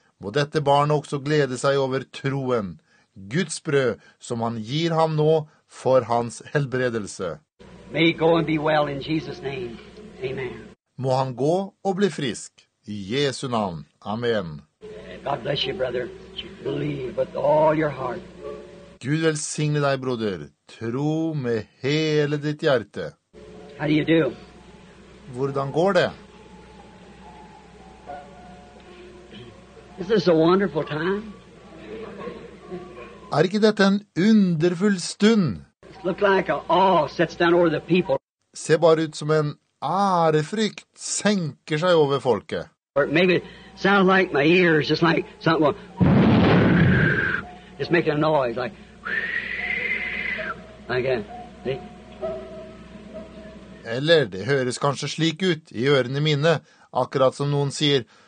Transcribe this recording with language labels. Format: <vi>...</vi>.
<no>Må dette barnet også glede seg over troen. Guds brød som han gir ham nå for hans helbredelse.</no> <en>May he go and be well in Jesus' name. Amen.</en> <no>Må han gå og bli frisk. I Jesu navn. Amen.</no> <en>God bless you, brother. Believe with all your heart.</en> <no>Gud velsigne deg, broder. Tro med hele ditt hjerte.</no> <en>How do you do?</en> <no>Hvordan går det?</no> <en>Is this a wonderful time?</en> <no>Ikke dette en underfull stund?</no> <en>It looks like an awe sets down over the people.</en> <no>Ser bare ut som en ærefrykt senker seg over folket.</no> <en>Or maybe it sounds like my ears, just like something. Just making a noise, like. Like that.</en> <no>Eller det høres kanskje slik ut I ørene mine, akkurat som noen sier.</no>